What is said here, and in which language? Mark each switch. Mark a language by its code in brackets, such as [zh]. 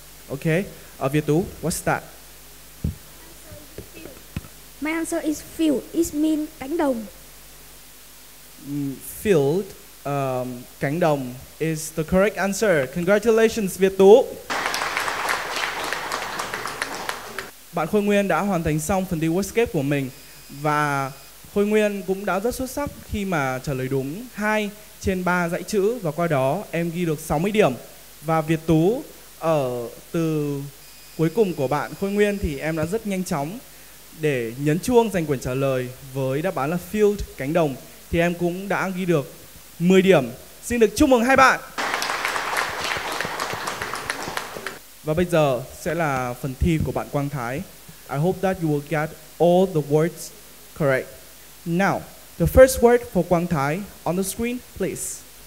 [en] Okay, Việt Tú, what's that? My answer is field. It means [vi] cánh đồng. [en] Field, [vi] cánh đồng [en] is the correct answer. Congratulations, Việt Tú. [vi] Bạn Khôi Nguyên đã hoàn thành xong phần thi Wordscape của mình và Khôi Nguyên cũng đã rất xuất sắc khi mà trả lời đúng 2 trên 3 dãy chữ và qua đó em ghi được 60 điểm. Và Việt Tú ở từ cuối cùng của bạn Khôi Nguyên thì em đã rất nhanh chóng để nhấn chuông giành quyền trả lời với đáp án là field, cánh đồng, thì em cũng đã ghi được 10 điểm. Xin được chúc mừng hai bạn. Và bây giờ sẽ là phần thi của bạn Quang Thái. [en] I hope that you will get all the words correct. Now, the first word for Quang Thái on the screen, please.